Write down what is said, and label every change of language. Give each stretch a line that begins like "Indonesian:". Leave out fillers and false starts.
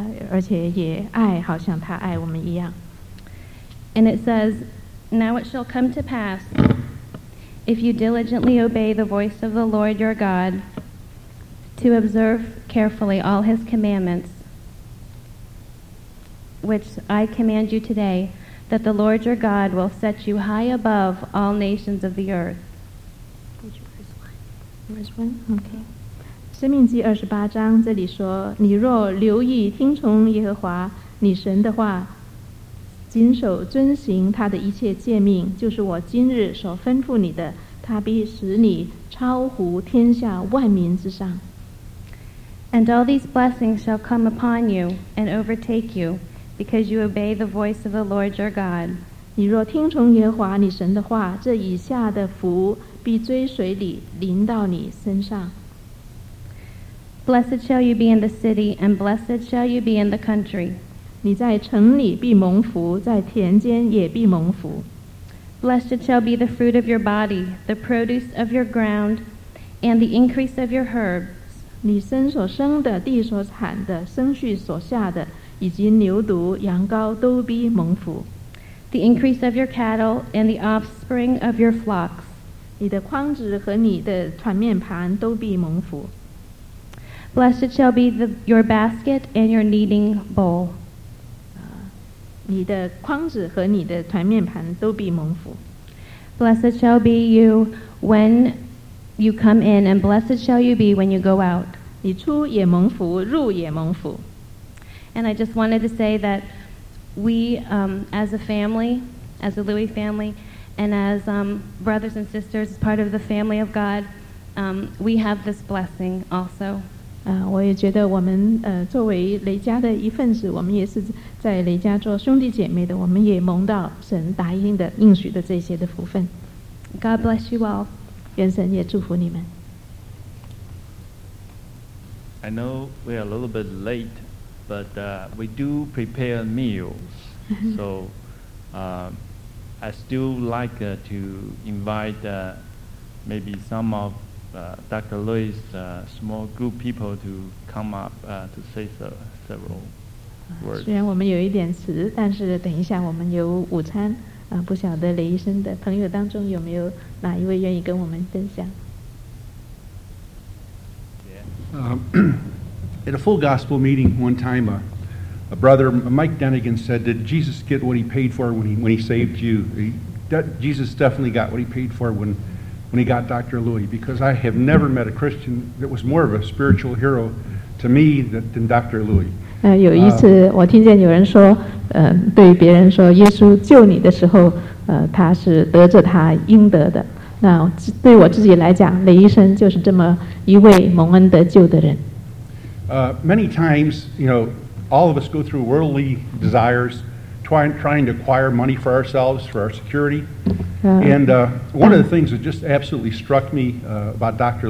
Chinese: 而且也爱好像他爱我们一样
English: and it says now it shall come to pass if you diligently obey the voice of the Lord your God to observe carefully all his commandments which I command you todayThat the Lord your God will set you high above all nations of the earth. Verse 1.
Chinese: 申命记二十八章这里说，你若留意听从耶和华你神的话，谨守遵行他的一切诫命，就是我今日所吩咐你的，他必使你超乎天下万民之上。
English: And all these blessings shall come upon you and overtake you. Because you obey the voice of the Lord your God.
Chinese: 你若听从耶和华你神的话，这以下的福必追随你，临到你身上。
English: Blessed shall you be in the city, and blessed shall you be in the country.
Chinese: 你在城里必蒙福，在田间也必蒙福。
English: Blessed shall be the fruit of your body, the produce of your ground, and the increase of your herbs.
Chinese: 你身所生的，地所产的，牲畜所下的。以及牛犊、羊羔都必蒙福。
English: The increase of your cattle and the offspring of your flocks.
Chinese: 你的筐子和你的团面盘都必蒙福。
English: Blessed shall be your basket and your kneading bowl.
Chinese: 你的筐子和你的团面盘都必蒙福。
English: Blessed shall be you when you come in, and blessed shall you be when you go out.
Chinese: 你出也蒙福，入也蒙福。
English: And I just wanted to say that we, as a family, as a Louis family, and as brothers and sisters, as part of the family of God, we have this blessing also.
Chinese: 我也觉得我们作为雷家的一份子，我们也是在雷家做兄弟姐妹的，我们也蒙到神答应的、应许的这些的福分。
English: God bless you all.
Chinese: 愿神也祝福你们。
English: I know we are a little bit late. But we do prepare meals, so I still like to invite maybe some of Dr. Louis' small group people to come up to say several words.
Chinese: 虽然我们有一点迟，但是等一下我们有午餐，不晓得雷医生的朋友当中有没有哪一位愿意跟我们分享？
English: Yeah. at a full gospel meeting one time, a brother, Mike Dennigan, said, "Did Jesus get what he paid for when he saved you?" Jesus definitely got what he paid for when he got Dr. Louis, because I have never met a Christian that was more of a spiritual hero to me than Dr. Louis.
Chinese: 有一次我听见有人说，对别人说耶稣救你的时候，他是得着他应得的。那对我自己来讲，雷医生就是这么一位蒙恩得救的人。
English: Many times, you know, all of us go through worldly desires, trying to acquire money for ourselves, for our security. And one of the things that just absolutely struck me about Dr.